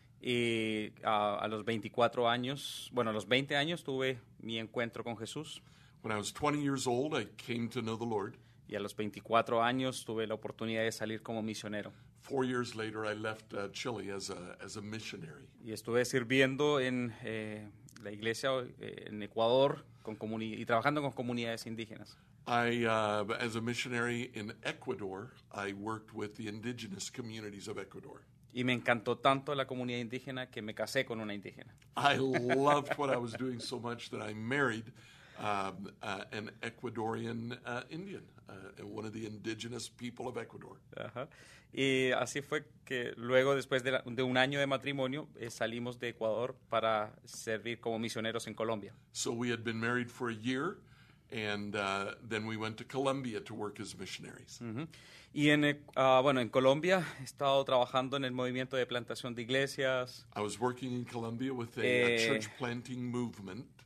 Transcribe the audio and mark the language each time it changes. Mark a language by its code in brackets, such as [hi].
[es] Y a los 24 años, bueno, a los 20 años tuve mi encuentro con Jesús. [en] When I was 20 years old, I came to know the Lord. [es] Y a los 24 años tuve la oportunidad de salir como misionero. [en] 4 years later, I left Chile as a missionary. [es] Y estuve sirviendo en la iglesia en Ecuador y trabajando con comunidades indígenas. [en] As a missionary in Ecuador, I worked with the indigenous communities of Ecuador. [es] Y me encantó tanto la comunidad indígena que me casé con una indígena. [en] I loved what I was doing so much that I married an Ecuadorian Indian, one of the indigenous people of Ecuador. [es] Uh-huh. Y así fue que luego, después de un año de matrimonio, salimos de Ecuador para servir como misioneros en Colombia. [en] So we had been married for a year, and then we went to Colombia to work as missionaries. [es] Mm-hmm. Y en, bueno, en Colombia he estado trabajando en el movimiento de plantación de iglesias. [en] I was working in Colombia with a church planting movement.